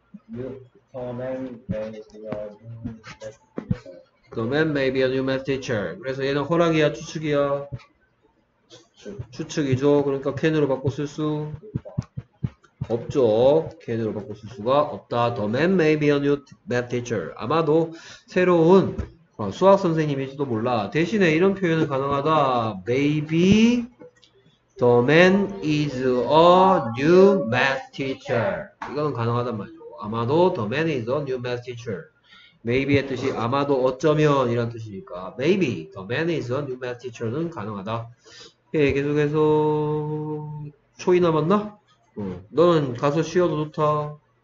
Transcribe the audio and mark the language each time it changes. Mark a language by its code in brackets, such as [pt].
[en] The man may be a new math teacher. [ko] 그래서 얘는 허락이야, 추측이야? 추측이죠. 그러니까 can으로 바꿔 쓸 수 없죠. can으로 바꿔 쓸 수가 없다. [en] The man may be a new math teacher. [ko] 아마도 새로운 수학 선생님일지도 몰라. 대신에 이런 표현은 가능하다. [en] Maybe the man is a new math teacher. [ko] 이거는 가능하단 말이죠. 아마도 [en] the man is a new math teacher. [ko] Maybe의 뜻이 아마도 어쩌면 이란 뜻이니까 [en] Maybe the man is a new math teacher는 [ko] 가능하다. 예, 계속해서 초이 남았나? 너는 가서 쉬어도 좋다.